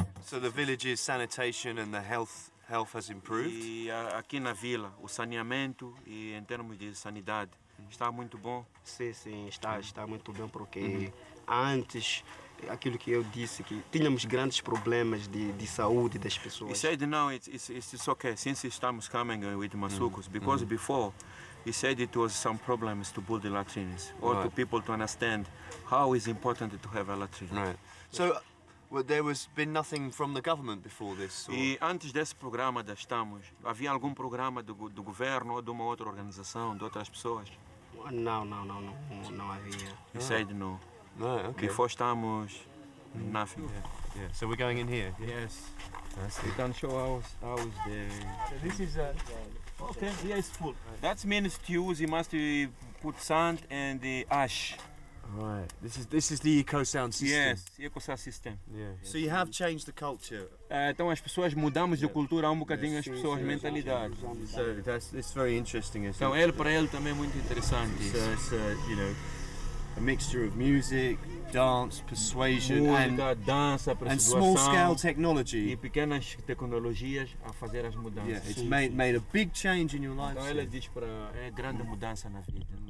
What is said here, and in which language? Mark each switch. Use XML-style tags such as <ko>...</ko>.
<en>The village's sanitation and the health has improved.</en> <pt>E aqui na vila, o saneamento e em termos de sanidade está muito bom. Sim, sim, está muito bem porque antes aquilo que eu disse que tínhamos grandes problemas de saúde das pessoas.</pt> <en>He said now it's okay since estamos coming with Massoukos because before he said it was some problems to build the latrines or to people to understand how is important to have a latrine. Right. So. But there was been nothing from the government before this.</en> <pt>E antes desse programa da Estamos, havia algum programa do governo ou de uma outra organização, de outras pessoas? Não havia.</pt> <en>He said no. No, okay. Before Estamos, nothing. Yeah. So we're going in here. Yes. That's it. We can show how's the. So this is a. Okay. Yeah, it's full. That means to use, you must put sand and the ash. Right. This is the eco sound system. Yes, eco sound system. Yeah. So you have changed the culture.</en> <pt>Então as pessoas mudamos de cultura um bocadinho as pessoas mentalidade.</pt> <en>So it's very interesting.</en> <pt>Então ele para ele também é muito interessante.</pt> <en>So it's you know a mixture of music, dance, persuasion, and small scale technology.</en> <pt>E pequenas tecnologias a fazer as mudanças.</pt> <en>Yeah, it's made a big change in your life.</en> <pt>Então ele diz para é grande mudança na vida.</pt>